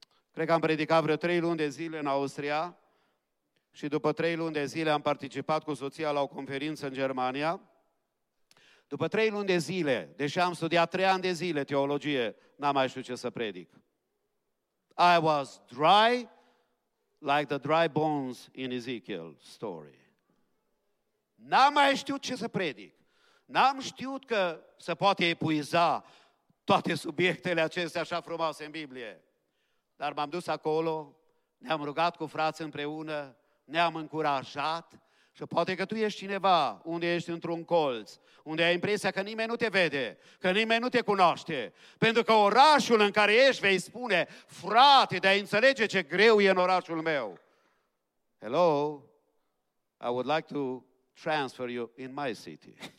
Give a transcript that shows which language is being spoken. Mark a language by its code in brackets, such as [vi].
[ro] Cred că am predicat vreo 3 luni de zile în Austria și după 3 luni de zile am participat cu soția la o conferință în Germania. După 3 luni de zile, deși am studiat 3 ani de zile teologie, n-am mai știut ce să predic. [en] I was dry like the dry bones in Ezekiel story. [ro] N-am mai știut ce să predic. N-am știut că se poate epuiza toate subiectele acestea așa frumoase în Biblie. Dar m-am dus acolo, ne-am rugat cu frați împreună, ne-am încurajat. Și poate că tu ești cineva unde ești într-un colț, unde ai impresia că nimeni nu te vede, că nimeni nu te cunoaște. Pentru că orașul în care ești vei spune, frate, de a înțelege ce greu e în orașul meu. [en] Hello, I would like to transfer you in my city.